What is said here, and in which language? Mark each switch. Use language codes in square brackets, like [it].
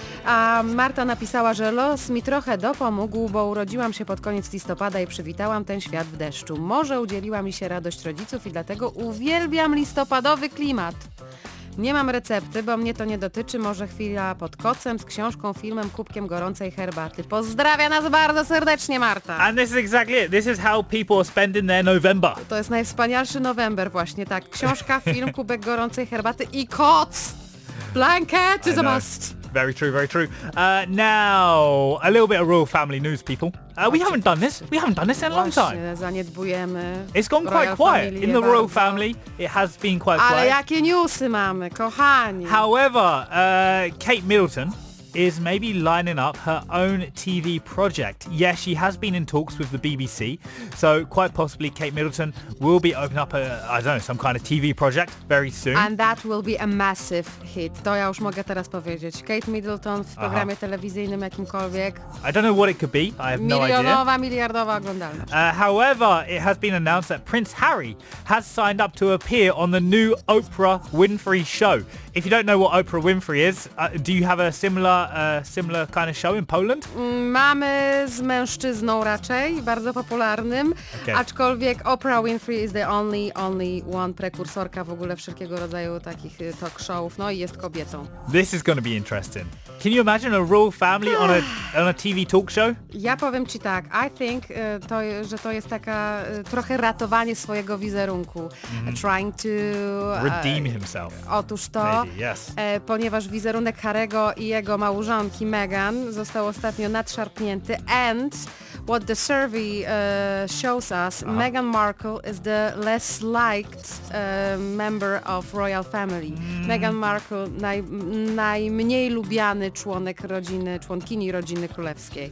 [pl] A Marta napisała, że los mi trochę dopomógł, bo urodziłam się pod koniec listopada i przywitałam ten świat w deszczu. Może udzieliła mi się radość rodziców i dlatego uwielbiam listopadowy klimat. Nie mam recepty, bo mnie to nie dotyczy. Może chwila pod kocem z książką, filmem, kubkiem gorącej herbaty. Pozdrawia nas bardzo serdecznie Marta. [en] And this is exactly it. This is how people are spending their November. [pl] To jest najwspanialszy November właśnie, tak. Książka, film, kubek gorącej herbaty i koc. [en] Blanket is a must. Very true, very true. Now, a little bit of Royal Family news, people. We haven't done this. We haven't done this in a long time. [pl] Zaniedbujemy. [en] It's gone quite quiet in the Royal Family. It has been quite quiet. [pl] Ale jakie newsy mamy, kochani. [en] However, Kate Middleton is maybe lining up her own TV project. Yes, she has been in talks with the BBC, so quite possibly Kate Middleton will be opening up a, I don't know, some kind of TV project very soon. And that will be a massive hit. [pl] To ja już mogę teraz powiedzieć. Kate Middleton w programie telewizyjnym jakimkolwiek. [en] I don't know what it could be. I have [pl] milionowa, [en] no idea. [pl] Milionowa, miliardowa oglądalność. [en] However, it has been announced that Prince Harry has signed up to appear on the new Oprah Winfrey show. If you don't know what Oprah Winfrey is, do you have a similar kind of show in Poland? [pl] Mamy z mężczyzną raczej, bardzo popularnym, okay. Aczkolwiek [en] Oprah Winfrey is the only one [pl] prekursorka w ogóle wszelkiego rodzaju takich talk showów, no i jest kobietą. [en] This is going to be interesting. Can you imagine a Royal Family on a TV talk show? [pl] Ja powiem ci tak, [en] I think, [pl] to, że to jest taka trochę ratowanie swojego wizerunku. [en] Mm-hmm. Trying to... redeem himself. [pl] Otóż to, [en] maybe, yes. [pl] Ponieważ wizerunek Harry'ego i jego małżonki Meghan został ostatnio nadszarpnięty. [en] And what the survey shows us, uh-huh. Meghan Markle is the less liked member of Royal Family. Mm. [pl] Meghan Markle, najmniej lubiany członek rodziny, członkini rodziny królewskiej.